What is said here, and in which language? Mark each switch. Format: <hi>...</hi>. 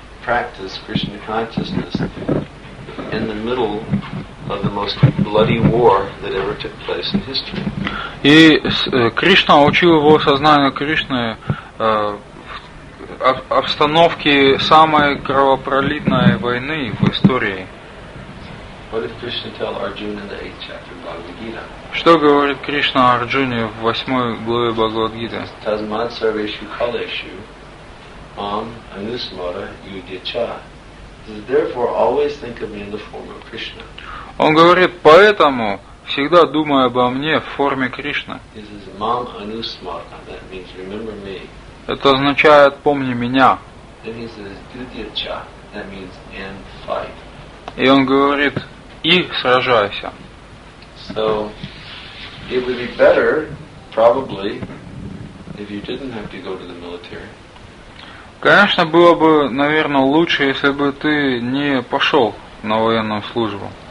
<en>In the middle of the most bloody war that ever took place in history.</en> <ru>И Кришна учил его сознание Кришны в обстановке самой кровопролитной войны в истории.</ru> <en>What did Krishna tell Arjuna in the 8th chapter of Bhagavad Gita?</en> <ru>Что говорит Кришна Арджуне в 8 главе Бхагавад Гиты?</ru> <sa>Tasmat sarveshu kaleshu mam anusmara yudhyacha.</sa> <en>Therefore, always think of me in the form of Krishna.</en> <ru>Он говорит, поэтому всегда думай обо мне в форме Кришны.</ru> <en>This is</en> <sa>mam anusmarta.</sa> <en>That means remember me.</en> <ru>Это означает помни меня.</ru> <en>Then he says dudyacha. That means and fight.</en> <ru>И он говорит и сражайся.</ru> <en>So it would be better, probably, if you didn't have to go to the military.</en> <ru>Конечно, было бы, наверное, лучше, если бы ты не пошел на военную службу.</ru>